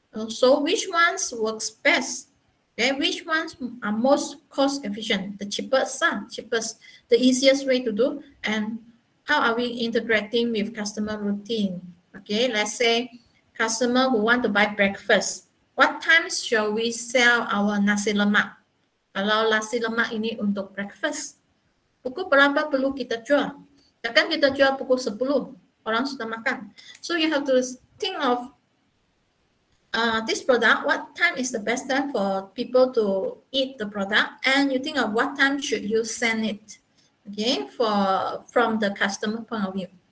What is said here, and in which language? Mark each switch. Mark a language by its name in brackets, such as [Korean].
[English] So which ones works best? Okay, which ones are most cost efficient? The cheapest, the easiest way to do. And how are we integrating with customer routine? Okay, let's say customer who want to buy breakfast. What time shall we sell our nasi lemak? [Malay] Kalau nasi lemak ini untuk breakfast, pukul berapa perlu kita jual? Takkan kita jual pukul 10, orang sudah makan. [English] So you have to think of this product, what time is the best time for people to eat the product? And you think of what time should you send it, okay, from the customer point of view.